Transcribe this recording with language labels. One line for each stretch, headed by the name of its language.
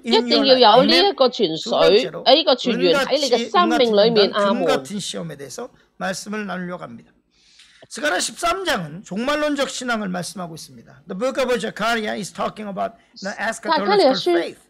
Cantonese: 你一定要有呢一个泉源喺你嘅生命里面。阿门。
Korean: 시험에 대해서 말씀을 나누려고 합니다. 스가랴 13장은 종말론적 신앙을 말씀하고 있습니다.
English: The book of Zechariah is talking about the eschatological faith.